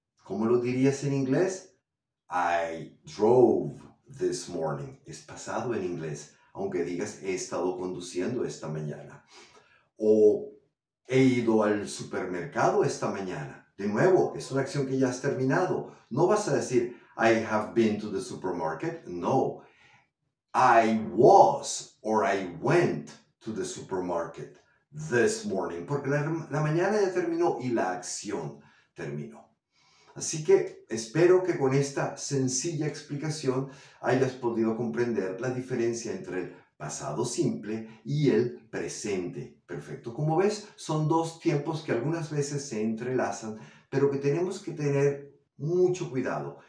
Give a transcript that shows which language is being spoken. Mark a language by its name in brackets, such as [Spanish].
[Spanish] ¿Cómo lo dirías en inglés? [English] I drove this morning. [Spanish] Es pasado en inglés, aunque digas he estado conduciendo esta mañana. O he ido al supermercado esta mañana. De nuevo, es una acción que ya has terminado. No vas a decir, [English] I have been to the supermarket. [Spanish] No. [English] I was or I went to the supermarket this morning. [Spanish] Porque la mañana ya terminó y la acción terminó. Así que espero que con esta sencilla explicación hayas podido comprender la diferencia entre el pasado simple y el presente perfecto. Como ves, son dos tiempos que algunas veces se entrelazan, pero que tenemos que tener mucho cuidado.